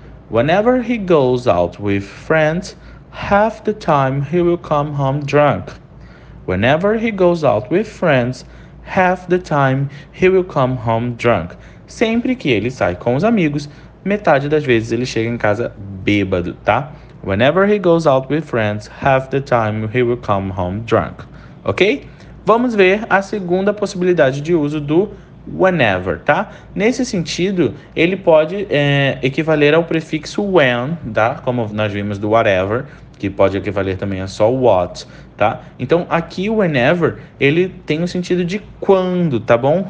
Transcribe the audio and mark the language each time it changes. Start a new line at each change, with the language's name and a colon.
English: Whenever he goes out with friends, half the time he will come home drunk. Whenever he goes out with friends, half the time he will come home drunk.
Portuguese: Sempre que ele sai com os amigos, metade das vezes ele chega em casa bêbado, tá?
English: Whenever he goes out with friends, half the time he will come home drunk. Ok?
Portuguese: Vamos ver a segunda possibilidade de uso do whenever, tá? Nesse sentido, ele pode equivaler ao prefixo when, tá? Como nós vimos do whatever, que pode equivaler também a só what, tá? Então, aqui o whenever, ele tem o sentido de quando, tá bom?